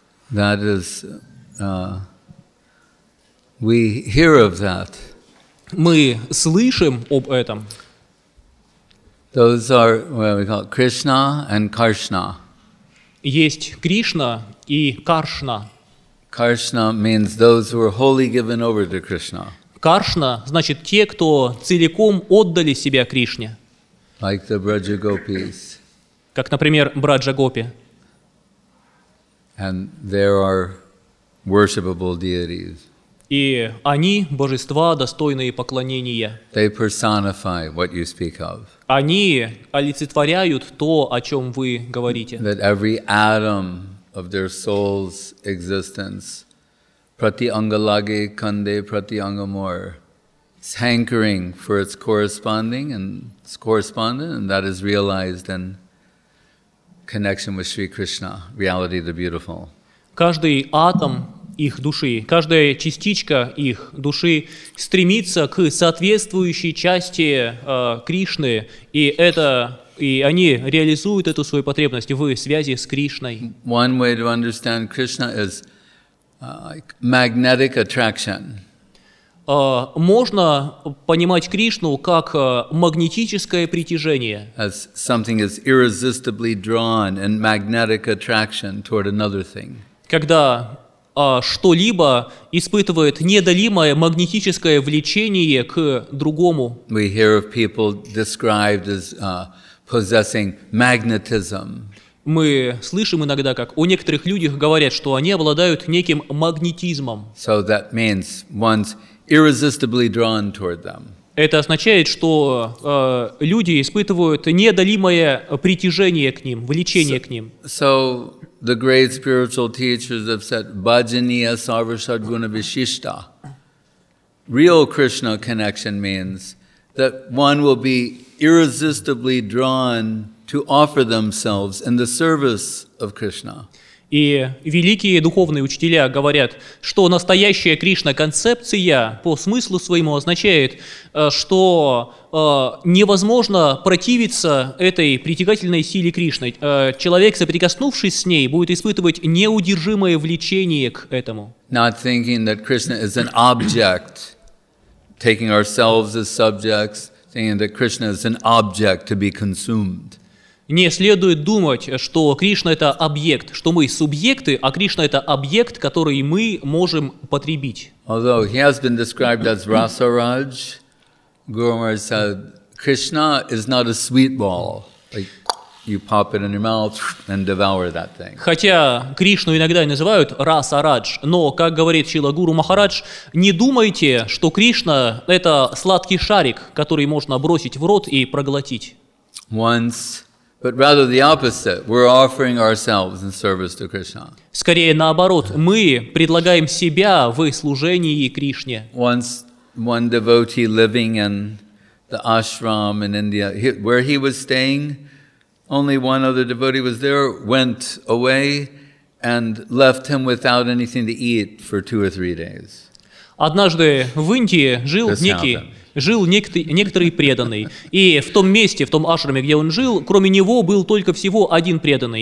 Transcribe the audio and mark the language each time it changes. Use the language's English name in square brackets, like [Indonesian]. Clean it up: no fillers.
[English] That is, we hear of that. [Russian] Мы слышим об этом. [English] Those are what we call Krishna and Karshna. [Russian] Есть Кришна и Каршна. [English] Karshna means those who are wholly given over to Krishna. [Russian] Karshna значит те, кто целиком отдали себя Кришне. [English] Like the Braja Gopis. [Russian] Как, например, Браджа Гопи. [English] And there are worshipable deities. [Russian] И они божества, достойные поклонения. [English] They personify what you speak of. [Russian] Они олицетворяют то, о чем вы говорите. [English] That every atom of their soul's existence, [Sanskrit] prati angalage kande prati angamor, [English] is hankering for its corresponding and its correspondent, and that is realized in connection with Sri Krishna, reality the beautiful. [Russian] Каждый атом их души, каждая частичка их души стремится к соответствующей части Кришны, и это и они реализуют эту свою потребность в связи с Кришной. [English] One way to understand Krishna is magnetic attraction. [Russian] Можно понимать Кришну как магнетическое притяжение. [English] As something is irresistibly drawn in magnetic attraction toward another thing. [Russian] Когда что-либо испытывает неодолимое магнетическое влечение к другому. [English] We hear of people described as possessing magnetism. [Russian] Мы слышим иногда, как у некоторых людей говорят, что они обладают неким магнетизмом. [English] So that means one's irresistibly drawn toward them. [Russian] Это означает, что люди испытывают неодолимое притяжение к ним, влечение к ним. [English] So the great spiritual teachers have said, [Sanskrit] bhajaniya sarvashad guna vishishta. [English] Real Krishna connection means that one will be irresistibly drawn to offer themselves in the service of Krishna. [Russian] И великие духовные учителя говорят, что настоящая Кришна-концепция по смыслу своему означает, что невозможно противиться этой притягательной силе Кришны. Человек, соприкоснувшись с ней, будет испытывать неудержимое влечение к этому. [English] Not thinking that Krishna is an object, taking ourselves as subjects, thinking that Krishna is an object to be consumed. [Russian] Не следует думать, что Кришна – это объект, что мы – субъекты, а Кришна – это объект, который мы можем потребить. [English] Although he has been described as Rasaraj, Guru Maharaj said, Krishna is not a sweet ball. Like you pop it in your mouth and devour that thing. [Russian] Хотя Кришну иногда называют Расарадж, но, как говорит Шрила Гуру Махарадж, не думайте, что Кришна – это сладкий шарик, который можно бросить в рот и проглотить. [English] Once... But rather the opposite. We're offering ourselves in service to Krishna. [Russian] Скорее наоборот, мы предлагаем себя в служении Кришне. [English] Once one devotee living in the ashram in India, where he was staying, only one other devotee was there, went away and left him without anything to eat for two or three days. [Russian] Однажды в Индии жил некоторый преданный. И в том месте, в том ашраме, где он жил, кроме него был только всего один преданный.